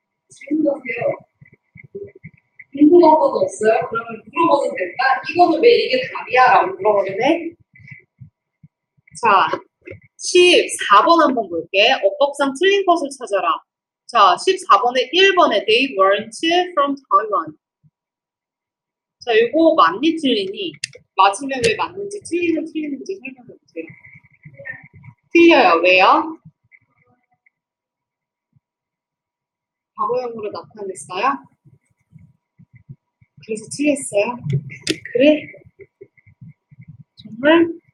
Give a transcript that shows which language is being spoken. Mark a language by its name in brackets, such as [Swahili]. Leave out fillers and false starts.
[Korean] 질문하세요. 궁금한 것도 없어요? 그러면 물어보면 될까? 이거는 왜 이게 답이야? 라고 물어보겠네. 자, 14번 한번 볼게. 어법상 틀린 것을 찾아라. [English] 자, 14번에 1번에 they weren't from Taiwan. [Korean] 자, 이거 맞니 틀리니? 맞으면 왜 맞는지 틀리면 틀리는지 설명해 주세요. 틀려요. 왜요? 과거형으로 나타냈어요? 그래서 틀렸어요? 그래? 정말?